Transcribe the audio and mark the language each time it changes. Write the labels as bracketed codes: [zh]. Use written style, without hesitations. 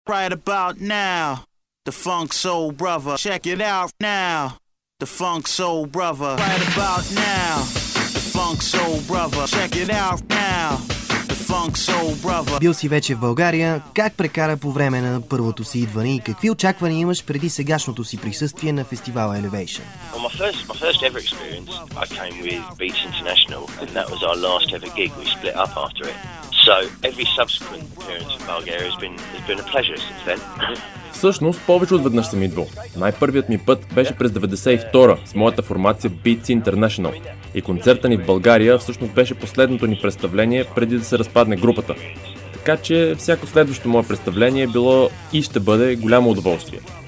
[en] Right about now, the Funk Soul Brother. Check it out now, the Funk Soul Brother. Right about now, the Funk Soul Brother. Check it out now, the Funk Soul Brother. [bg] Бил си вече в България, как прекара по време на първото си идване и какви очаквания имаш преди сегашното си присъствие на фестивал Elevation? [en] My first ever experience, I came with Beats International, and that was our last ever gig. We split up after it. So every subsequent appearance in Bulgaria has been a pleasure since then. [bg] Всъщност, повече от веднъж съм идвал. Най-първият ми път беше през 92-а с моята формация Beats International. И концерта ни в България всъщност беше последното ни представление преди да се разпадне групата. Така че всяко следващо мое представление било и ще бъде голямо удоволствие.